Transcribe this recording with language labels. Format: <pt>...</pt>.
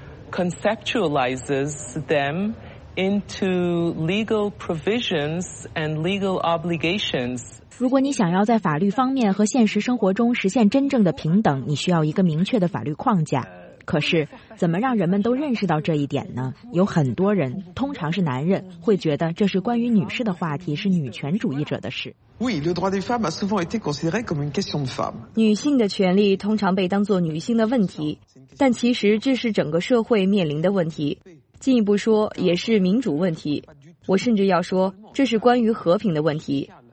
<en>Conceptualizes them into legal provisions and legal obligations.</en> <zh>如果你想要在法律方面和现实生活中实现真正的平等，你需要一个明确的法律框架。可是，怎么让人们都认识到这一点呢？有很多人，通常是男人，会觉得这是关于女士的话题，是女权主义者的事。</zh> <fr>Oui, le droit des femmes a souvent été considéré comme une question de femmes.</fr> <zh>女性的权利通常被当作女性的问题，但其实这是整个社会面临的问题，进一步说，也是民主问题。我甚至要说，这是关于和平的问题。</zh>